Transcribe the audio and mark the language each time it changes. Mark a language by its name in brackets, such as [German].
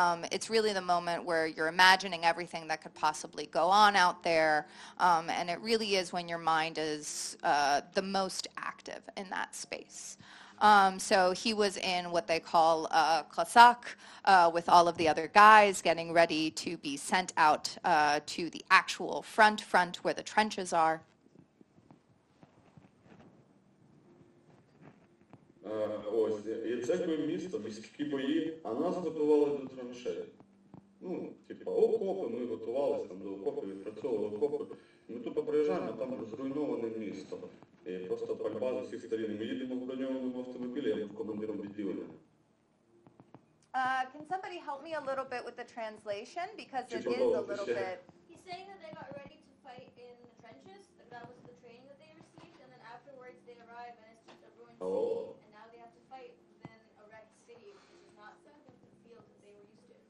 [English] It's really the moment where you're imagining everything that could possibly go on out there, and it really is when your mind is the most active in that space. So he was in what they call a Cossack with all of the other guys getting ready to be sent out to the actual front where the trenches are. [Ukrainian] Ось, і це якби місто, військові бої, а нас готували до траншеї. Ну, типа, окопи, ми готувалися там до окопів, відпрацьовували окопи. Ми тут приїжджаємо, там зруйноване місто. І просто пальба з усіх сторін. Ми їдемо в броньованому автомобілі, я був командиром відділення. [English] Can somebody help me a little bit with the translation? Because it is a little bit... He's saying that they got ready to fight in the trenches, that that was the training that they received, and then afterwards they arrive and it's just a ruined city. Oh. And now they have to fight within a wrecked city, which is not something to feel that they were used to.